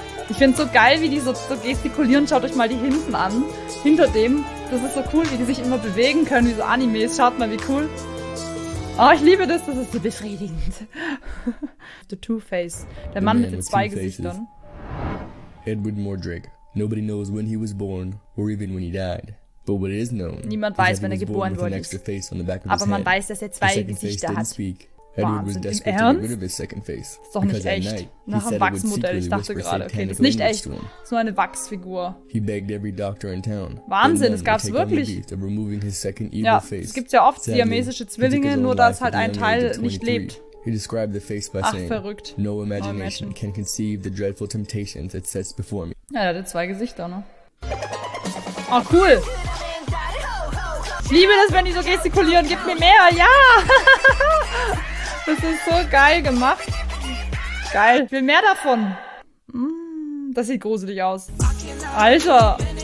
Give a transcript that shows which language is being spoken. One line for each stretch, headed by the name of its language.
German: Ich finde es so geil, wie die so gestikulieren. Schaut euch mal die hinten an. Hinter dem. Das ist so cool, wie die sich immer bewegen können, wie so Animes. Schaut mal, wie cool. Oh, ich liebe das. Das ist so befriedigend. The Two-Face. Der Mann mit den zwei Gesichtern. Edward Mordrake.
English: Nobody knows when he was born or even when he died. But what is known.
German: Niemand weiß, wenn er geboren wurde. Aber man weiß, dass er zwei Gesichter hat.
English: Edward was desperate to get rid of his second face.
German: Das ist doch nicht echt. Night, nach einem Wachsmodell, ich dachte gerade, okay, das ist nicht echt. So eine Wachsfigur.
English: He begged every doctor in town.
German: Wahnsinn, das gab's wirklich. Ja, es gibt ja oft siamesische Zwillinge, nur dass halt ein Teil nicht lebt.
English: He described the face by
German: Ach,
English: saying,
German: verrückt.
English: No imagination can conceive the dreadful temptations that sets before me.
German: Ja, er hatte zwei Gesichter, ne? Oh, cool. Ich liebe das, wenn die so gestikulieren. Gib mir mehr, ja! Das ist so geil gemacht. Geil. Ich will mehr davon. Das sieht gruselig aus. Alter.